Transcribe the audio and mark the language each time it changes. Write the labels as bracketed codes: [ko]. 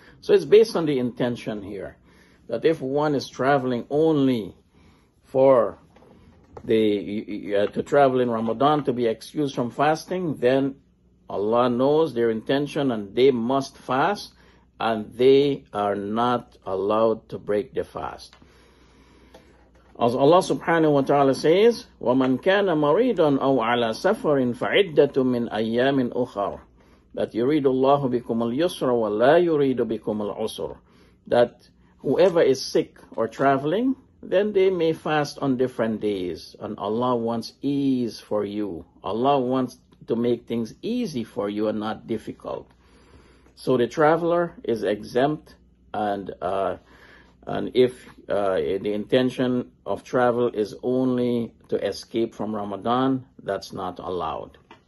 [en] So it's based on the intention here, that if one is traveling only for to travel in Ramadan to be excused from fasting, then Allah knows their intention and they must fast, and they are not allowed to break the fast. As Allah subhanahu wa ta'ala says, [ar] وَمَنْ كَانَ مَرِيدًا أَوْ عَلَىٰ سَفَرٍ فَعِدَّةٌ مِّنْ أَيَّامٍ أُخَرٍ. That يُرِيدُ اللَّهُ بِكُمُ الْيُسْرَ وَلَا يُرِيدُ بِكُمُ الْعُسْرَ. [en] That whoever is sick or traveling, then they may fast on different days. And Allah wants ease for you. Allah wants to make things easy for you and not difficult. So the traveler is exempt, and if the intention of travel is only to escape from Ramadan, that's not allowed.